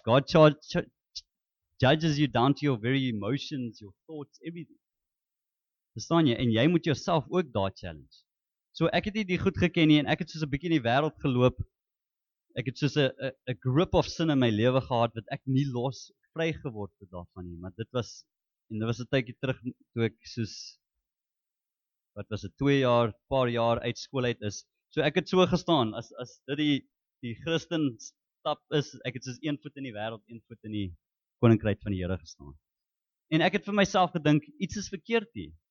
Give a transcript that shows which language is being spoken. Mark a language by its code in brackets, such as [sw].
[en] God judges you down to your very emotions, your thoughts, everything. [af] Verstaan jy? En jy moet jouself ook daar challenge. So ek het hierdie goed geken nie, en ek het soos 'n bietjie in die wêreld geloop. Ek het soos 'n [en] grip of sin [af] in my lewe gehad wat ek nie los vry geword het daarvan nie, maar dit was 'n tydjie terug toe ek soos, wat was het, 2 jaar, paar jaar uit skool uit is. So ek het so gestaan, as dit die Christen stap is, ek het soos 1 voet in die wêreld, 1 voet in die koninkryk van die Here gestaan. En ek het vir myself gedink, iets is verkeerd hier.